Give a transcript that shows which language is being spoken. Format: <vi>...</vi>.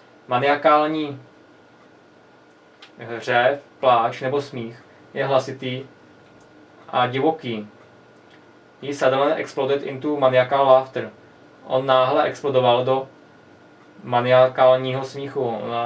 <cs>Maniakální hřev, pláč nebo smích je hlasitý a divoký.</cs> <en>He suddenly exploded into maniacal laughter.</en> <cs>On náhle explodoval do maniakálního smíchu.</cs>